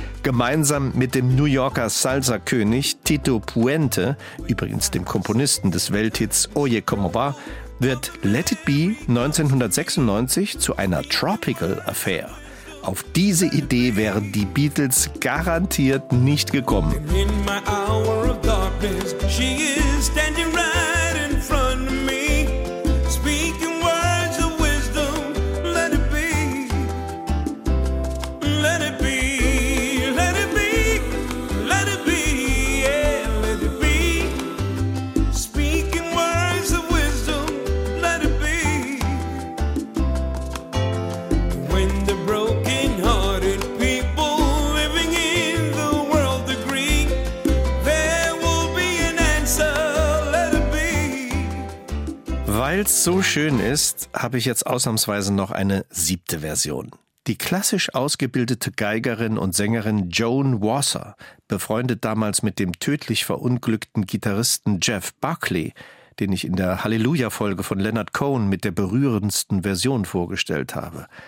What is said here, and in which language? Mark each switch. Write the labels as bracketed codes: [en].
[de] Gemeinsam mit dem New Yorker Salsa-König Tito Puente, übrigens dem Komponisten des Welthits Oye Como Va, wird Let It Be 1996 zu einer Tropical Affair. Auf diese Idee wären die Beatles garantiert nicht gekommen. [en] In my hour of darkness, she is standing right in front of me, speaking words of wisdom. Let it be, let it be, let it be, let it be, yeah, let it be. Speaking words of wisdom, let it be. When the broken-hearted people living in the world agree, there will be an answer, let it be. [de] Weil's so schön ist, habe ich jetzt ausnahmsweise noch eine siebte Version. Die klassisch ausgebildete Geigerin und Sängerin Joan Wasser, befreundet damals mit dem tödlich verunglückten Gitarristen Jeff Buckley, den ich in der Halleluja-Folge von Leonard Cohen mit der berührendsten Version vorgestellt habe.